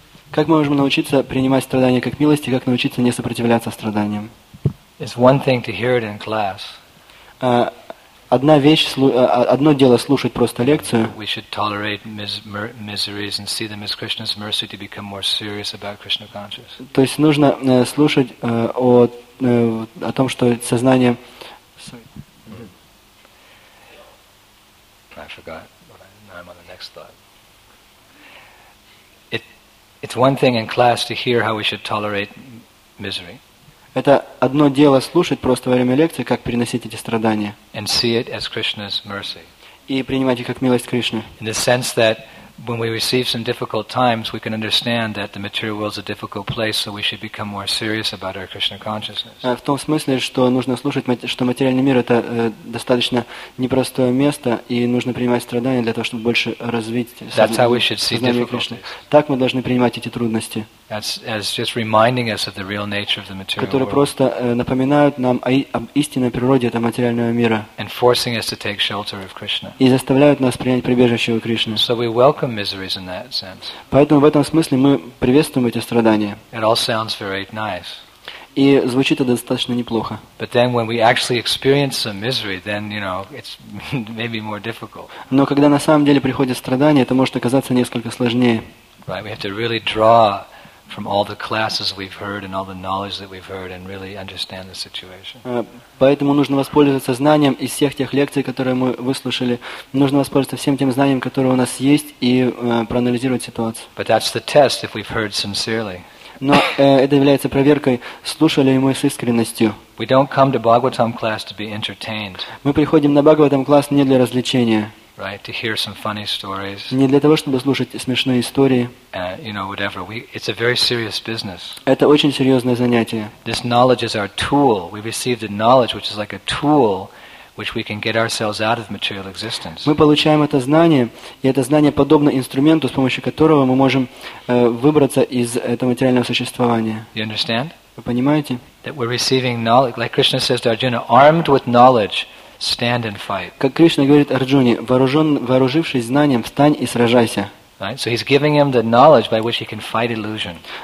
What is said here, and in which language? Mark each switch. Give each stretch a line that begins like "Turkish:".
Russian: Как мы можем научиться принимать страдания как милость и как научиться не сопротивляться страданиям?
English: It's one thing to hear it in class.
Russian: Одна вещь, одно дело слушать просто лекцию.
English: We should tolerate miseries and see them as Krishna's mercy to become more serious about Krishna consciousness.
Russian: То есть нужно слушать о том, что сознание.
English: I forgot. Now I'm on the next thought. It's one thing in class to hear how we should tolerate misery.
Russian: Это одно дело слушать просто во время лекции, как переносить эти страдания.
English: And see it as Krishna's mercy.
Russian: И принимать их как милость Кришны.
English: In the sense that when we receive some difficult times, we can understand that the material world is a difficult place, so we should become more serious about our Krishna consciousness.
Russian: В том смысле, что нужно слушать, что материальный мир это достаточно непростое место, и нужно принимать страдания для того, чтобы больше развить.
English: That's how we should see difficulties.
Russian: Так мы должны принимать эти трудности.
English: As just reminding us of the real nature of the material world.
Russian: Которые просто напоминают нам о истинной природе этого материального мира.
English: And forcing us to take shelter of Krishna.
Russian: И заставляют нас принять прибежище у Кришны.
English: So we welcome miseries in that sense.
Russian: Поэтому в этом смысле мы приветствуем эти страдания.
English: It all sounds very nice.
Russian: И звучит это достаточно неплохо.
English: But then when we actually experience some misery, then, you know, it's maybe more difficult.
Russian: Но когда на самом деле приходят страдания, это может оказаться несколько сложнее.
English: Right, we have to really draw from all the classes we've heard and all the knowledge that we've heard and really understand the situation.
Russian: Поэтому нужно воспользоваться знанием из всех тех лекций, которые мы выслушали. Нужно воспользоваться всем тем знанием, которое у нас есть, и проанализировать ситуацию.
English: But that's the test if we've heard sincerely.
Russian: Но это является проверкой, слушали ли мы с искренностью.
English: We don't come to Bhagavatam class to be entertained.
Russian: Мы приходим на Бхагаватам класс не для развлечения.
English: Right, to hear some funny stories.
Russian: Не для того, чтобы слушать смешные истории.
English: You know, whatever. It's a very serious business.
Russian: Это очень серьезное занятие.
English: This knowledge is our tool. We receive the knowledge, which is like a tool, which we can get ourselves out of material existence.
Russian: Мы получаем это знание, и это знание подобно инструменту, с помощью которого мы можем выбраться из этого материального существования.
English: You understand?
Russian: Вы понимаете?
English: That we're receiving knowledge, like Krishna says to Arjuna, armed with knowledge, stand and fight.
Russian: Как Кришна говорит Арджуне, вооружившись знанием, встань и сражайся.
English: Right? So he's giving him the knowledge by which he can fight illusion.